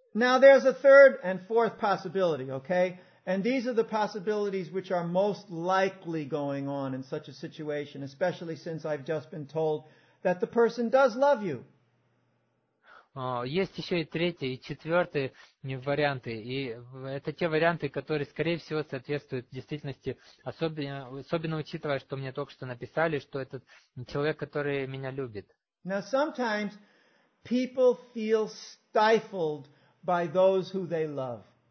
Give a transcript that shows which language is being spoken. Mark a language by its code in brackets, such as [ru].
[en] Now there's a third and fourth possibility, okay? And these are the possibilities which are most likely going on in such a situation, especially since I've just been told that the person does love you. [ru] Есть еще и третий, и четвертый варианты. И это те варианты, которые, скорее всего, соответствуют действительности, особенно учитывая, что мне только что написали, что этот человек, который меня любит. [en] Now sometimes people feel stifled by those who they love.